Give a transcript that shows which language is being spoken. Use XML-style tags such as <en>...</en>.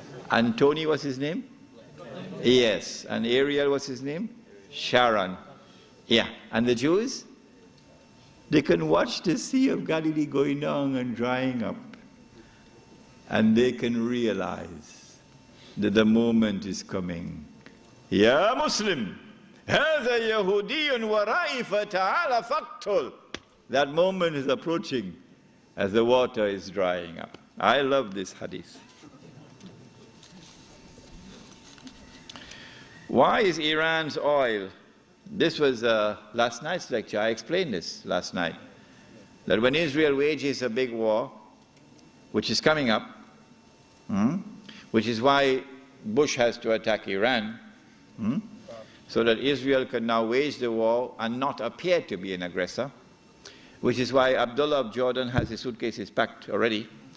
<en>And Tony, what's his name? Yes. And Ariel, what's his name? Sharon. Yeah. And the Jews? They can watch the Sea of Galilee going down and drying up. And they can realize that the moment is coming.</en> <ar>Ya Muslim, هذا يهودي ورائي فتعال فقتل.</ar> <en>That moment is approaching as the water is drying up. I love this hadith. Why is Iran's oil? This was last night's lecture. I explained this last night. That when Israel wages a big war, which is coming up, which is why Bush has to attack Iran, so that Israel can now wage the war and not appear to be an aggressor, which is why Abdullah of Jordan has his suitcases packed already.</en>